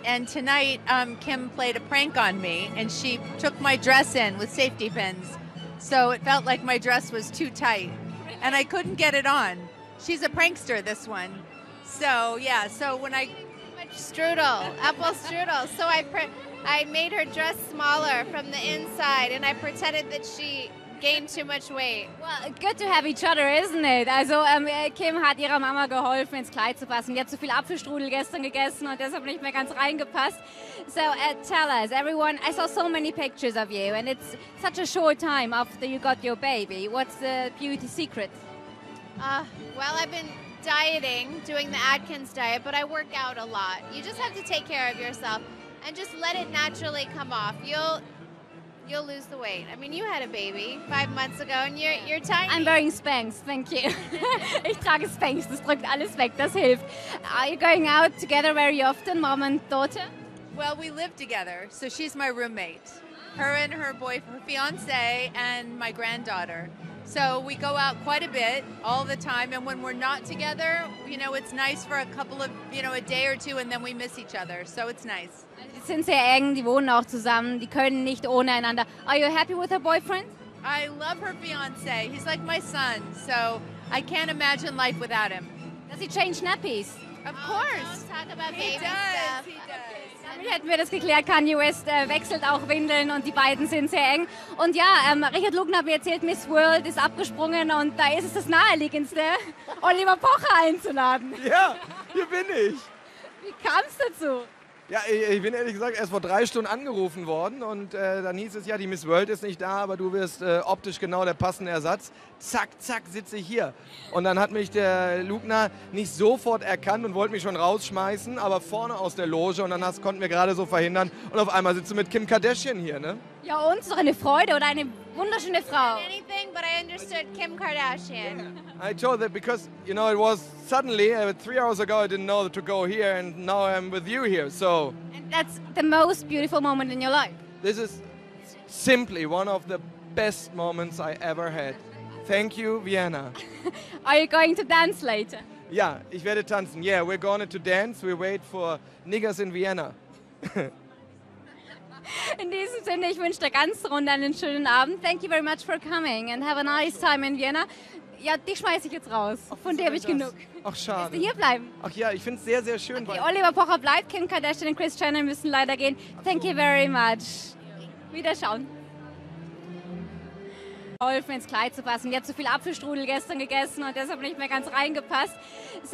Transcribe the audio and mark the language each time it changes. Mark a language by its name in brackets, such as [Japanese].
[English] And tonight, Kim played a prank on me, and she took my dress in with safety pins. So it felt like my dress was too tight. and I couldn't get it on. She's a prankster, this one. So, yeah, so when I... strudel, apple strudel. So I made her dress smaller from the inside, and I pretended that she gained too much weight. Well, good to have each other, isn't it? [German] Also, Kim hat ihrer Mama geholfen, ins Kleid zu passen. Die hat zu viel Apfelstrudel gestern gegessen und deshalb nicht mehr ganz reingepasst. [English] So, tell us, everyone, I saw so many pictures of you, and it's such a short time after you got your baby. What's the beauty secret? Well, I've been dieting, doing the Atkins diet, but I work out a lot. You just have to take care of yourself and just let it naturally come off. You'll lose the weight. I mean, you had a baby 5 months ago, and you're tiny. I'm wearing Spanx, thank you. [German] Ich trage Spanx, das drückt alles weg, das hilft. [English] Are you going out together very often, mom and daughter? Well, we live together, so she's my roommate. Her and her fiance and my granddaughter. So we go out quite a bit all the time, and when we're not together, you know, it's nice for a couple of, you know, a day or two, and then we miss each other. So it's nice. [German] Sie sind sehr eng, die wohnen auch zusammen, die können nicht ohne einander. [English] Are you happy with her boyfriend? I love her fiance. He's like my son, so I can't imagine life without him. Does he change nappies? Of course. Oh, don't talk about he baby does. He does. [German] Hätten wir das geklärt, Kanye West wechselt auch Windeln und die beiden sind sehr eng. Und ja, Richard Lugner hat mir erzählt, Miss World ist abgesprungen und da ist es das Naheliegendste, Oliver Pocher einzuladen. Ja, hier bin ich. Wie kam es dazu? Ja, ich bin ehrlich gesagt erst vor 3 Stunden angerufen worden und dann hieß es, ja, die Miss World ist nicht da, aber du wirst optisch genau der passende Ersatz. Zack, zack, sitze ich hier. Und dann hat mich der Lugner nicht sofort erkannt und wollte mich schon rausschmeißen, aber vorne aus der Loge und dann konnten wir gerade so verhindern und auf einmal sitzt du mit Kim Kardashian hier, ne? Ja, und es ist doch eine Freude oder eine wunderschöne Frau. [English] I didn't say anything, but I understood Kim Kardashian. Yeah. I told that because, you know, it was suddenly, 3 hours ago I didn't know to go here and now I'm with you here, so. And that's the most beautiful moment in your life. This is simply one of the best moments I ever had. Thank you, Vienna. Are you going to dance later? Yeah, [German] ich werde tanzen. [English] Yeah, we're going to dance. We wait for niggas in Vienna. [German] In diesem Sinne, ich wünsche der ganzen Runde einen schönen Abend. [English] Thank you very much for coming and have a nice time in Vienna. [German] Ja, dich schmeiße ich jetzt raus. Von dir habe ich genug. Ach, schade. Willst du hier bleiben? Ach ja, ich finde es sehr, sehr schön. Okay, Oliver Pocher bleibt, Kim Kardashian und Kris Jenner müssen leider gehen. [English] Thank you very much. [German] Wiederschauen. Helfen, ins Kleid zu passen. Die hat zu viel Apfelstrudel gestern gegessen und deshalb nicht mehr ganz reingepasst. So.